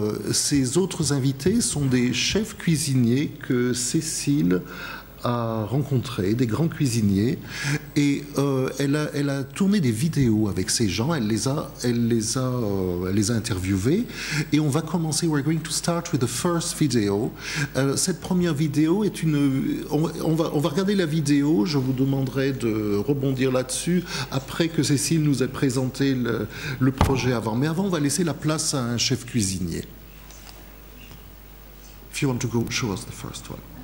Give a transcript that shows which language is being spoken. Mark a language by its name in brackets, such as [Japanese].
[French] Ces autres invités sont des chefs cuisiniers que Cécile a rencontré, des grands cuisiniers, et elle a tourné des vidéos avec ces gens, elle les a interviewés, et on va commencer. [English] We're going to start with the first video. [French] Cette première vidéo est une, on va regarder la vidéo. Je vous demanderai de rebondir là-dessus après que Cécile nous ait présenté le projet avant. Mais avant, on va laisser la place à un chef cuisinier. [English] If you want to go, show us the first one.